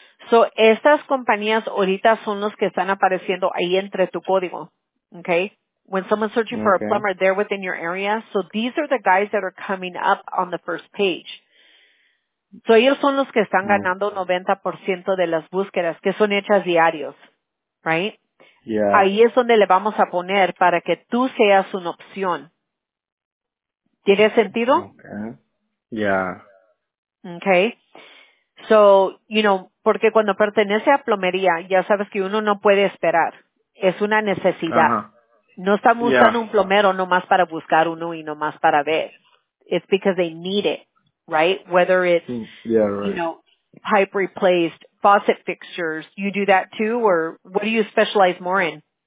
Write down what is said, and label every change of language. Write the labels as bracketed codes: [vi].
[es] So, estas compañías ahorita son los que están apareciendo ahí entre tu código. [en] Okay, when someone's searching for a plumber, they're within your area. So these are the guys that are coming up on the first page. [es] So ellos son los que están ganando 90% de las búsquedas que son hechas diarios, right? [en] Yeah. [es] Ahí es donde le vamos a poner para que tú seas una opción. ¿Tiene sentido? [en] Okay. Yeah. Okay. So, you know, [es] porque cuando pertenece a plomería, ya sabes que uno no puede esperar. Es una necesidad. No estamos usando un plomero nomás para buscar uno y nomás para ver. [en] It's because they need it, right? Whether it's, you know, pipe replaced, faucet fixtures. You do that too, or what do you specialize more in?